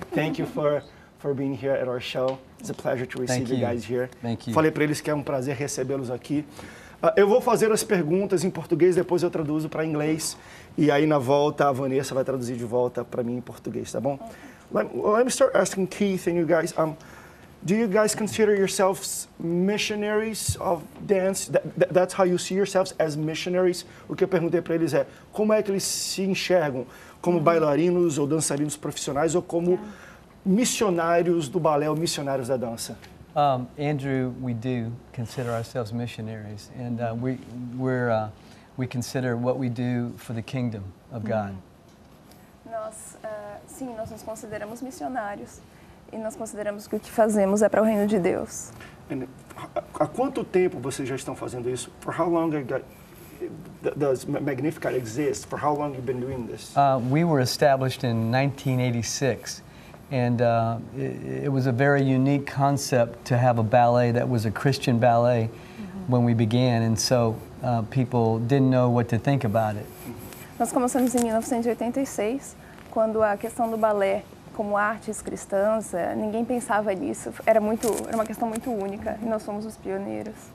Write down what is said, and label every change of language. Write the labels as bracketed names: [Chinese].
[English] Thank you for being here at our show. It's a pleasure to receive you guys here. Thank you. [Portuguese] Falei para eles que é um prazer recebê-los aqui. Eu vou fazer as perguntas em português, depois eu traduzo para inglês. E aí, na volta, a Vanessa vai traduzir de volta para mim em português, tá bom? [English] Let me start asking Keith and you guys. Do you guys consider yourselves missionaries of dance? That's how you see yourselves, as missionaries? [Portuguese] O que eu perguntei para eles é, como é que eles se enxergam? Como bailarinos ou dançarinos profissionais ou como missionários do balé ou missionários da dança? [English] Andrew, we do consider ourselves missionaries, and we consider what we do for the kingdom of God. [Portuguese] Nós, sim, nós nos consideramos missionários, e nós consideramos que o que fazemos é para o reino de Deus. And há quanto tempo vocês já estão fazendo isso? [English] For how long does Magnificat exist? For how long you've been doing this? We were established in 1986. And it was a very unique concept to have a ballet that was a Christian ballet when we began, and so people didn't know what to think about it. [Portuguese] Nós começamos em 1986, quando a questão do balé como artes cristãs, ninguém pensava nisso. Era uma questão muito única, e nós fomos os pioneiros.